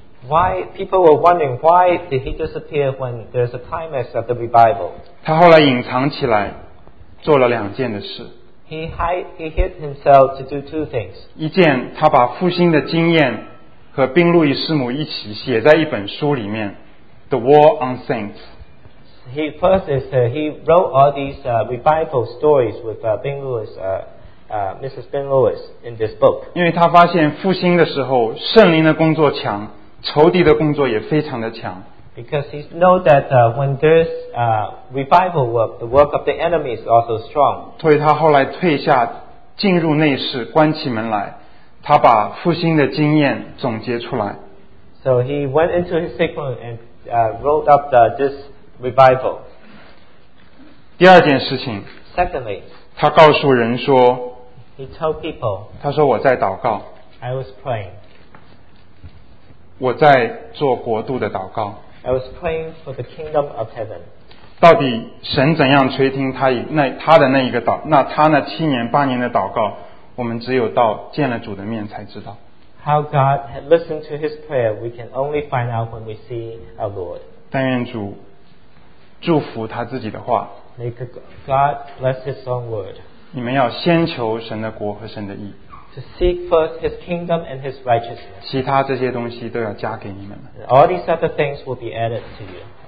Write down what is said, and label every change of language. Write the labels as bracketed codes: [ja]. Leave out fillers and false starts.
[en] Why people were wondering why did he disappear when there's a climax of the revival? [zh] 他后来隐藏起来，做了两件的事。 [en] He hid himself to do two things. [zh] 一件，他把复兴的经验和宾路易师母一起写在一本书里面，《The War on Saints》。 [en] He first is he wrote all these revival stories with Bin Lewis, Mrs. Bin Lewis in this book. [zh] 因为他发现复兴的时候，圣灵的工作强。仇敌的工作也非常的强。 [en] Because he know that when there's revival work, the work of the enemy is also strong. [zh] 所以他后来退下，进入内室，关起门来，他把复兴的经验总结出来。 [en] So he went into his secret and wrote up this revival. [zh] 第二件事情。 [en] Secondly. [zh] 他告诉人说。 [en] He told people. [zh] 他说我在祷告。 [en] I was praying. [zh] 我在做国度的祷告。 [en] I was praying for the kingdom of heaven. [zh] 到底神怎样垂听他的那一个祷，那他那七年八年的祷告，我们只有到见了主的面才知道。 [en] How God had listened to his prayer, we can only find out when we see our Lord. [zh] 但愿主祝福他自己的话。 [en] May God bless his own word. [zh] 你们要先求神的国和神的义。 [en] To seek first his kingdom and his righteousness. [zh] 其他这些东西都要加给你们了。 [en] All these other things will be added to you.